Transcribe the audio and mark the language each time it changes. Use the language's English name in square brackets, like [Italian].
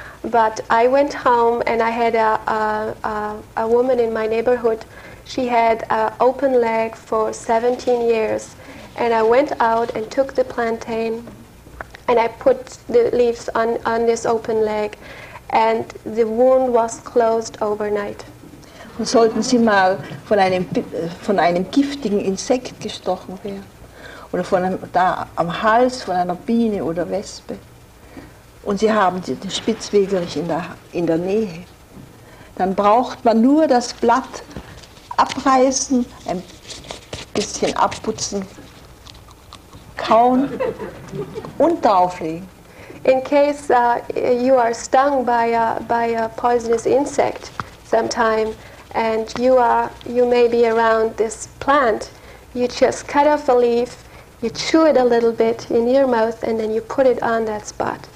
[English] But I went home and I had a woman in my neighborhood. She had an open leg for 17 years. And I went out and took the plantain and I put the leaves on this open leg. And the wound was closed overnight. [German] Und sollten Sie mal von einem giftigen Insekt gestochen werden oder von einem, da am Hals von einer Biene oder Wespe und Sie haben den Spitzwegerich in der Nähe, dann braucht man nur das Blatt abreißen, ein bisschen abputzen, kauen und drauflegen. [English] In case you are stung by a poisonous insect sometime, and you may be around this plant, you just cut off a leaf, you chew it a little bit in your mouth, and then you put it on that spot.